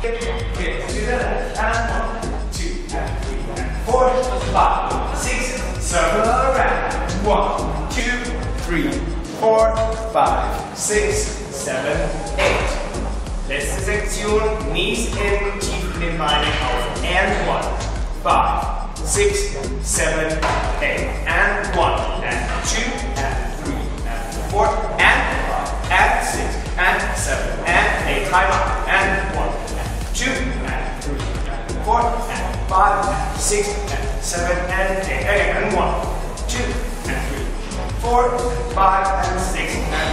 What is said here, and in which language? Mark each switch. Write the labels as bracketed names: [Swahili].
[English] Hip, hip, to the left, and one, two, and three, and four, five, six, circle around, one, two, 3, 4, 5, 6, 7, 8. [German] Letzte Sektion, [English] knees in, [German] tief in den Beinen auf. [English] And 1, 5, 6, 7, 8. And 1, and 2, and 3, and 4, and 5, and 6, and 7, and 8. Time out. And 1, and 2, and 3, and 4, and 5, and 6, and 7, and 8. And 1, 2, 4, 5, and 6.